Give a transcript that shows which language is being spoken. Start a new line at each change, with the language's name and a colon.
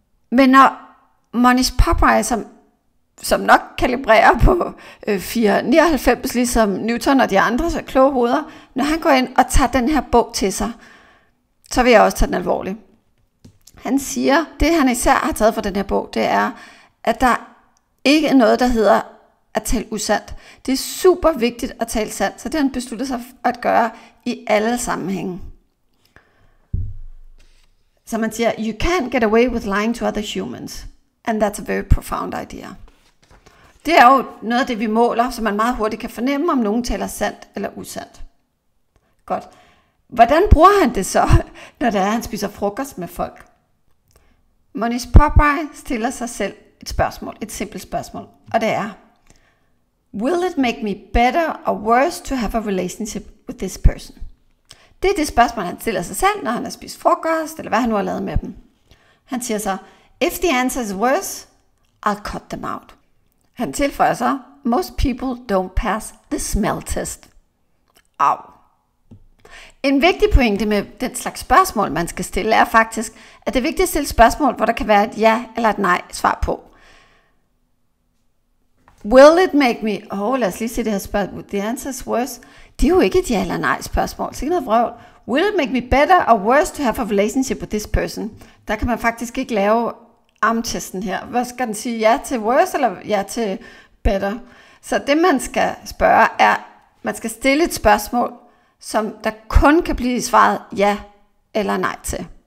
Danish: Men når Manish Popper, som nok kalibrerer på 499, ligesom Newton og de andre så kloge hoveder, når han går ind og tager den her bog til sig, så vil jeg også tage den alvorligt. Han siger, det han især har taget fra den her bog, det er, at der ikke er noget, der hedder at tale usandt. Det er super vigtigt at tale sandt, så det han besluttet sig at gøre i alle sammenhænge. Så man siger,
English: you can't get away with lying to other humans, and that's a very profound idea.
Danish: Det er jo noget af det, vi måler, så man meget hurtigt kan fornemme, om nogen taler sandt eller usandt. Godt. Hvordan bruger han det så, når det er, han spiser frokost med folk? Manish Popper stiller sig selv et spørgsmål, et simpelt spørgsmål, og det er,
English: will it make me better or worse to have a relationship with this person?
Danish: Det er det spørgsmål, han stiller sig selv, når han har spist frokost, eller hvad han nu har lavet med dem. Han siger så,
English: if the answer is worse, I'll cut them out.
Danish: Han tilføjer så,
English: most people don't pass the smell test. Au.
Danish: En vigtig pointe med den slags spørgsmål, man skal stille, er faktisk, at det er vigtigt at stille spørgsmål, hvor der kan være et ja eller et nej svar på.
English: Will it make me...
Danish: Åh, lad os lige se det her spørgsmål.
English: The answer is worse.
Danish: Det er jo ikke et ja eller nej spørgsmål. Det er ikke noget vrøvl.
English: Will it make me better or worse to have a relationship with this person?
Danish: Der kan man faktisk ikke lave armtesten her. Hvad skal den sige? Ja til worse eller ja til better? Så det, man skal spørge, er, man skal stille et spørgsmål, som der kun kan blive svaret ja eller nej til.